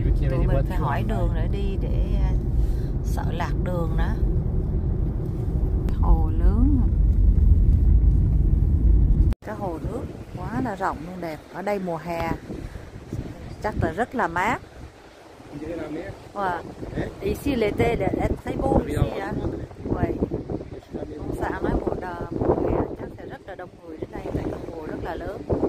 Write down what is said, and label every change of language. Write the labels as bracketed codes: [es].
[vi] Tụi mình phải hỏi đường để đi, để sợ lạc đường đó. Hồ lớn, cái hồ nước quá là rộng luôn, đẹp. Ở đây mùa hè chắc là rất là mát. [fr] Ici l'été est très beau ici. [vi] Ông xã nói một ngày chắc sẽ rất là đông người đến đây tại cái hồ rất là lớn.